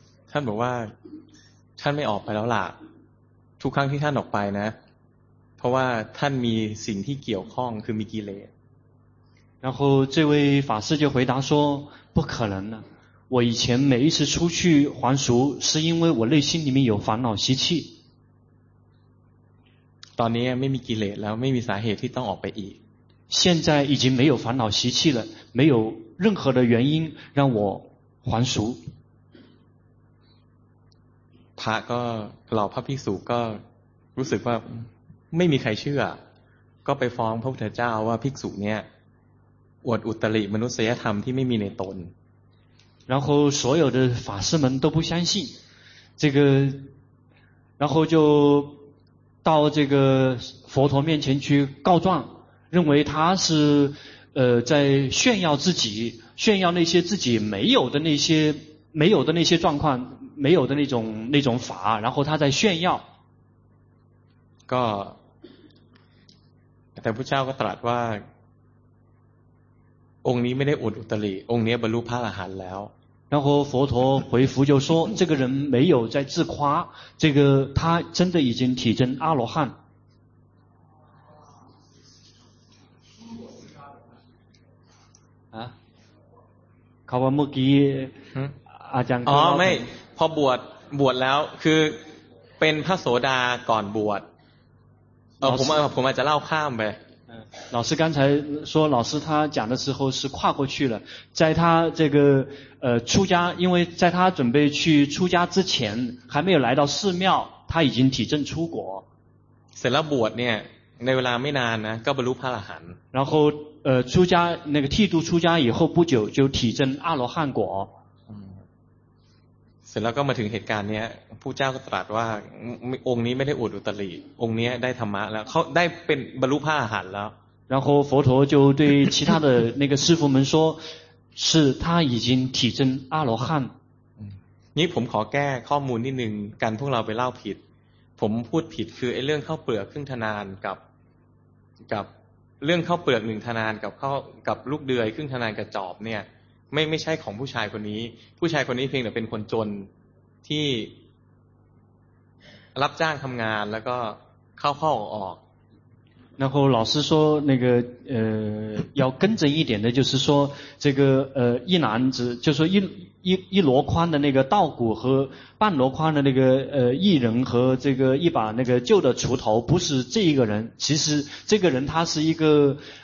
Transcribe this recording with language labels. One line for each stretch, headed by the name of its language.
Thai: ท่านบอกว่าท่านไม่ออกไปแล้วล่ะทุกครั้งที่ท่านออกไปนะเพราะว่าท่านมีสิ่งที่เกี่ยวข้องคือมีกิเลส
Chinese: 然后这位法师就回答说不可能的我以前每一次出去还俗是因为我内心里面有烦恼习气
Thai: ตอนนี้ไม่มีกิเลสแล้วไม่มีสาเหตุที่ต้องออกไปอีก
Chinese: 现在已经没有烦恼习气了没有任何的原因让我还俗
Thai: พระก็เหล่าพระภิกษุก็ รู้สึกว่าไม่มีใครเชื่อก็ไปฟ้องพระพุทธเจ้าว่าภิกษุเนี่ยอวดอุตริมนุษยธรรมที่ไม่มีในตน
Chinese: 然后所有的法师们都不相信这个然后就到这个佛陀面前去告状认为他是在炫耀自己炫耀那些自己没有的那些没有的那些状况没有的那种法然后他在炫耀
Thai: ก็แต่พระพุทธเจ้าก็ตรัสว่าองค์นี้ไม่ได้อวดอุตริองค์นี้บรรลุพระอรหันต์แล้ว
Chinese: 然后佛陀回复就说这个人没有在自夸这个他真的已经体证阿罗汉
Thai: เขาว่าเมื่อกี้ อาจารย์อ๋อไม่พอบวชแล้วคือเป็นพระโสดาก่อนบวชผมอาจจะเล่าข้ามไป
Chinese: 老师刚才说老师他讲的时候是跨过去了在他这个出家因为在他准备去出家之前还没有来到寺庙他已经体证出国
Thai: เสร็จแล้วบวชเนี่ยในเวลาไม่นานนะก็บรรลุพระอรหันต์
Chinese: 然后出家那个剃度出家以后不久就体证阿罗汉果
Thai: เสร็จแล้วก็มาถึงเหตุการณ์เนี้ยพระเจ้าก็ตรัสว่าองค์นี้ไม่ได้อวดอุตริองค์นี้ได้ธรรมะแล้วเขาได้เป็นบรรลุพระอรหันต์แล้ว
Chinese: 然后佛陀就对其他的那个师父们说是他已经体证阿罗汉
Thai: นี่ผมขอแก้ข้อมูลนิดนึงกันพวกเราไปเล่าผิดผมพูดผิดคือไอ้เรื่องข้าวเปลือกครึ่งทนานกับเรื่องข้าวเปลือกหนึ่งทนานกับลูกเดือยครึ่งทนานกระจอบเนี่ยไม่ใช่ของผู้ชายคนนี้ผู้ชายคนนี้เพียงแต่เป็นคนจนที่รับจ้างทำงานแล้วก็เข้าพ่อออก
Chinese: 然后老师说那个要更正一点的就是说这个一篮子就是说一箩筐的那个稻谷和半箩筐的那个一人和这个一把那个旧的锄头不是这一个人其实这个人他是一个